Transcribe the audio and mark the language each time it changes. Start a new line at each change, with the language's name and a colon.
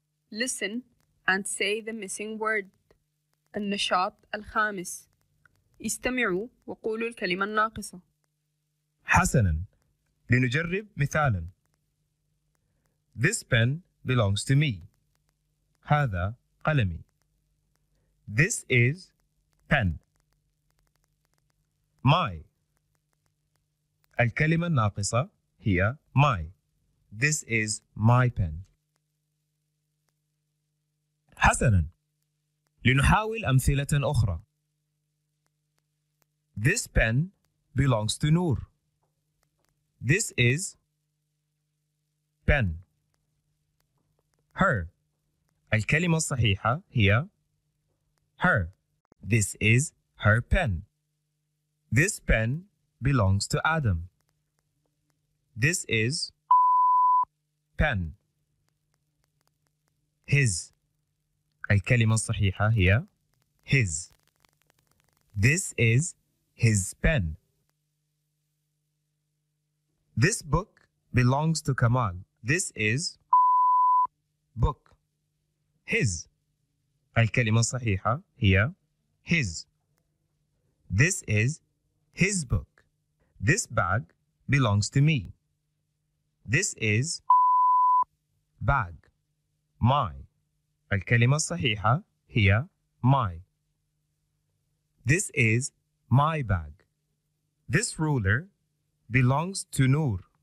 English: Listen and say the missing word.
Arabic: النشاط الخامس. استمعوا وقولوا الكلمة الناقصة. حسناً. لنجرب مثالاً.
English: This pen belongs to me.
Arabic: هذا قلمي.
English: This is pen. My.
Arabic: الكلمة الناقصة هي my.
English: This is my pen.
Arabic: حسناً. لنحاول أمثلة أخرى.
English: This pen belongs to Noor. This is pen. Her.
Arabic: الكلمة الصحيحة هي her.
English: This is her pen. This pen belongs to Adam. This is pen. His.
Arabic: الكلمة الصحيحة هي his.
English: This is his pen. This book belongs to Kamal. This is book. His.
Arabic: الكلمة الصحيحة هي his.
English: This is his book. This bag belongs to me. This is bag. My.
Arabic: الكلمة الصحيحة هي my.
English: This is my bag. This ruler belongs to Noor.